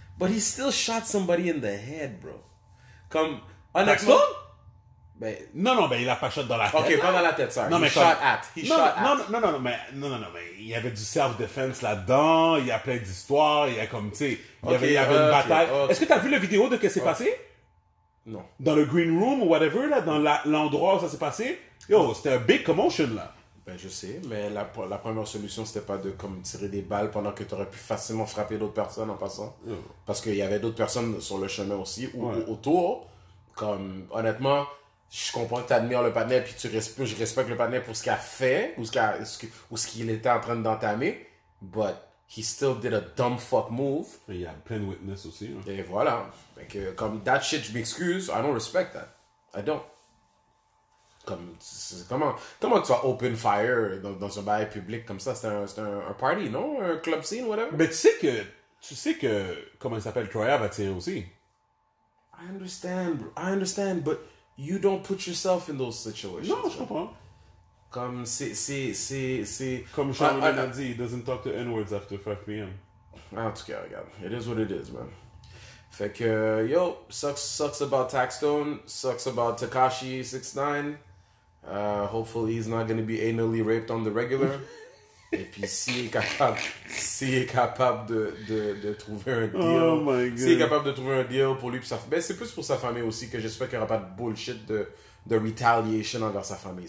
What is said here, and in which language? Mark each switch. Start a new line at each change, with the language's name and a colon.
English: But he still shot somebody in the head, bro.
French: Comme un accident? Ben, non non, ben il a pas shot dans la tête. OK, pas dans la tête, sorry. Non, mais shot comme, at. Non, mais il y avait du self defense là-dedans, il y a plein d'histoires, il y a comme tu sais, il y avait une bataille. Okay. Est-ce que tu as vu la vidéo de ce qui s'est passé? Non. Dans le green room ou whatever là, dans la, l'endroit où ça s'est passé? Yo, c'était un big commotion là. Ben je sais, mais la la première solution c'était pas de comme tirer des balles pendant que tu aurais pu facilement frapper d'autres personnes en passant. Mm. Parce qu'il y avait d'autres personnes sur le chemin aussi ou, ouais. ou autour comme honnêtement je comprends que tu admires le panel puis tu respectes, je respecte le panel pour ce qu'il a fait ou ce, qu'a, ce, que, ou ce qu'il était en train d'entamer,
English: but he still did a dumb fuck move.
French: Et il y a plein de witness aussi. Hein. Et voilà. Et que, comme that shit, je m'excuse.
English: I don't respect that. I don't.
French: Comme, c'est, comment tu vas open fire dans, dans un bail public comme ça? C'est un party, non? Un club scene, whatever. Mais tu sais que comment il s'appelle, Troya va tirer aussi.
English: I understand, but you don't put yourself in those situations.
French: Non, je comprends. Comme c'est. Comme Sean Lennon a dit,
English: he doesn't talk to N-words after 5 p.m.
French: En tout cas, regarde.
English: It is what it is, man.
French: Fait que,
English: yo, sucks about Taxton, sucks about Tekashi 6ix9ine. Hopefully, he's not going to be anally raped on the regular.
French: Et puis, s'il est capable de trouver un deal.
English: Oh my God.
French: S'il est capable de trouver un deal pour lui et sa famille. Ben, c'est plus pour sa famille aussi que j'espère qu'il n'y aura pas de bullshit de retaliation envers sa famille.